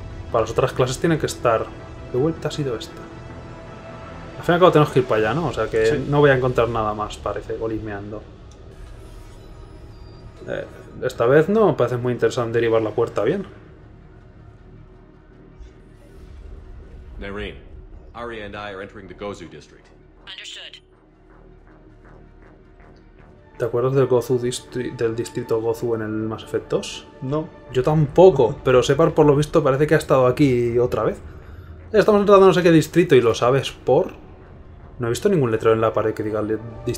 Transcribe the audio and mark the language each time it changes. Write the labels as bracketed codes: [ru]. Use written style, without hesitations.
[es] Para las otras clases tienen que estar... ¿Qué vuelta ha sido esta? Al fin y al cabo tenemos que ir para allá, ¿no? O sea que sí, no voy a encontrar nada más, parece, golismeando. Esta vez no, me parece muy interesante derivar la puerta bien. [en] Nerin, Arya and I are entering the Gozu district. Understood. [es] ¿Te acuerdas del Gozu del distrito Gozu en el Mass Effect 2? No. Yo tampoco, pero Separ por lo visto parece que ha estado aquí otra vez. Estamos entrando a no sé qué distrito y lo sabes por... No he visto ningún letrero en la pared que diga el distrito.